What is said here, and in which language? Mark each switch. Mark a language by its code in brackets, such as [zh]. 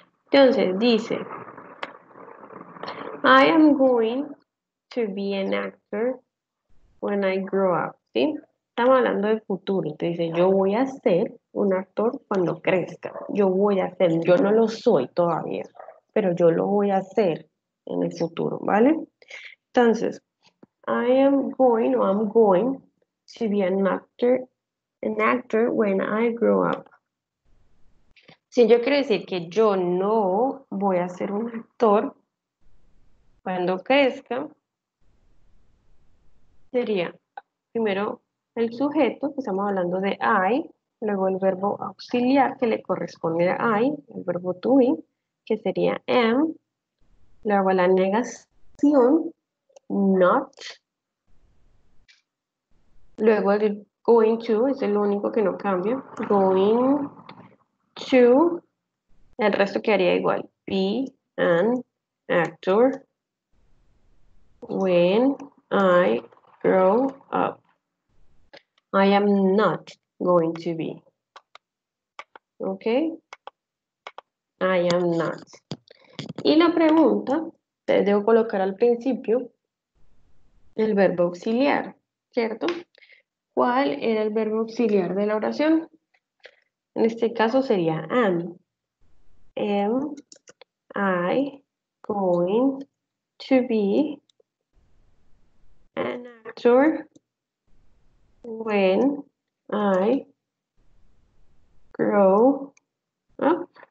[es] Entonces dice, [en] I am going to be an actor when I grow up. [es] ¿Sí? Estamos hablando del futuro. Te dice, yo voy a ser un actor cuando crezca. Yo voy a ser, yo no lo soy todavía, pero yo lo voy a hacer en el futuro, ¿vale? [en] Entonces, I am going, o I'm going to be an actor when I grow up. [es] Si yo quiero decir que yo no voy a ser un actor cuando crezca, sería primero el sujeto, que estamos hablando de I, luego el verbo auxiliar que le corresponde a I, el verbo to be, que sería am, luego la negación, not, luego el going to, es el único que no cambia, going to, el resto quedaría igual, be an actor. [en] When I grow up, I am not going to be. ¿Ok? I am not. [es] Y la pregunta, te debo colocar al principio el verbo auxiliar, ¿cierto? ¿Cuál era el verbo auxiliar de la oración? En este caso sería am. [en] Am I going to be an actor when I grow up?